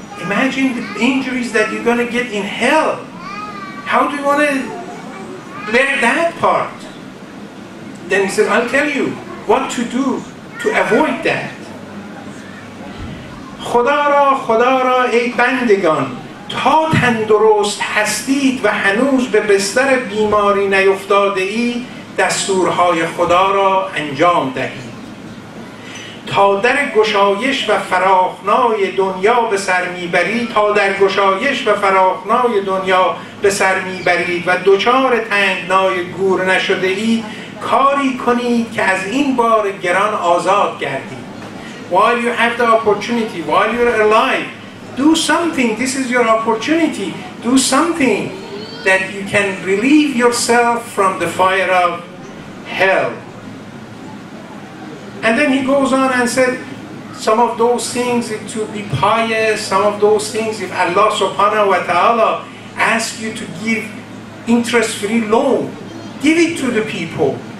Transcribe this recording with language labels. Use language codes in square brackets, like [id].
[en] Imagine the injuries that you're going to get in hell. How do you want to bear that part? Then he said, I'll tell you what to do to avoid that. [fa] خدا را ای بندگان تا تندرست هستید و هنوز به بستر بیماری نیفتاده ای دستورهای خدا را انجام دهید. تا در گشایش و فراخنای دنیا به سر میبرید تا در گشایش و فراخنای دنیا به سر میبرید و دچار تنگنای گور نشده اید کاری کنید که از این بار گران آزاد گردید. [en] While you have the opportunity, while you're alive, do something. This is your opportunity. Do something that you can relieve yourself from the fire of hell. And then he goes on and said, some of those things to be pious, some of those things if Allah subhanahu wa ta'ala asks you to give interest-free loan, give it to the people.